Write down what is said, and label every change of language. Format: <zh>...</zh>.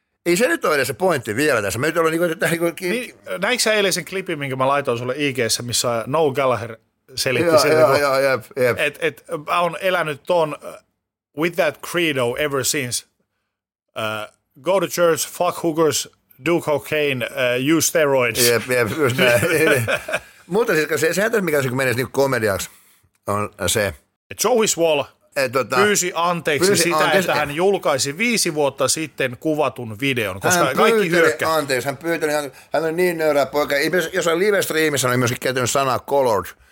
<fi>Ei se nyt ole edes se pointti vielä tässä. Mä nyt olen niin kuin... Näinkö sä eilen sen klipin, minkä mä laitoin sulle IG:ssä, missä Noel Gallagher selitti sen, että mä oon elänyt ton</fi> <en>with that credo ever since. Go to church, fuck hookers, do cocaine, use steroids.</en> <fi>Jep, just näin. Mutta siis sehän tässä, mikä menisi niin komediaksi, on se... Joey Swall... pyysi anteeksi sitä, että hän julkaisi 5 vuotta sitten kuvatun videon, koska kaikki hyökkäsi. Anteeksi, hän pyytäni, hän on niin nöyrä poika. Jossain live-striimissä oli myöskin käytänyt sanaa colored.</fi>